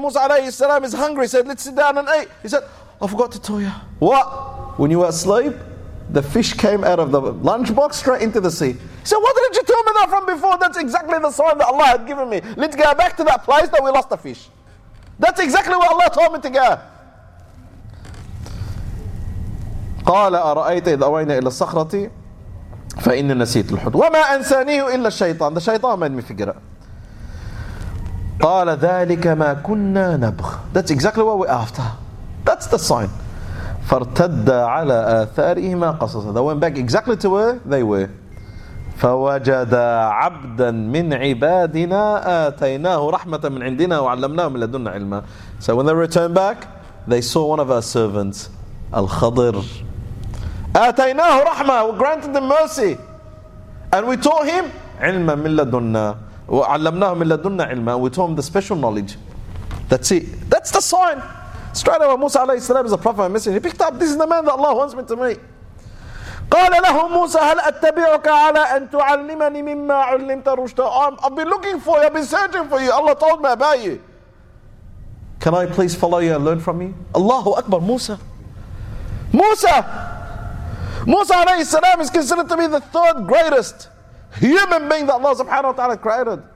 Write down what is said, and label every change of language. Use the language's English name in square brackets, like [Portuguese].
[English] Musa alayhi salam is hungry. He said, let's sit down and eat. He said, I forgot to tell you. What? When you were asleep, the fish came out of the lunchbox straight into the sea. He said, what didn't you tell me that from before? That's exactly the sign that Allah had given me. Let's go back to that place that we lost the fish. That's exactly what Allah told me to go. [Arabic] قال أرأيت إذ أوينا إلى الصخرة فإن نسيت الحوت وما أنسانيه إلا الشيطان. [English] The shaitan made me figure out. [Arabic] قال ذلك ما كنا نبغ. [English] That's exactly what we're after. That's the sign. [Arabic] فارتد على آثارهما قصصا. [English] They went back exactly to where they were. [Arabic] فوجد عبدا من عبادنا آتيناه رحمة من عندنا وعلمناه من لدنا علما. [English] So when they returned back, they saw one of our servants, Al-Khadir. [Arabic] آتيناه رحمة, [English] we granted him mercy, and we taught him [Arabic] علما من لدنا وعلمناه من لدنا علما. [English] We taught him the special knowledge. That's it. That's the sign. Straight away, Musa عليه السلام is a prophet and messenger. He picked up. This is the man that Allah wants me to meet. [Arabic] قال له موسى هل أتبعك على أن تعلمني مما علمت رشدا. [English] I've been looking for you. I've been searching for you. Allah told me about you. Can I please follow you and learn from you? Allahu Akbar, Musa. Musa. Musa alayhi salam is considered to be the third greatest human being that Allah subhanahu wa ta'ala created.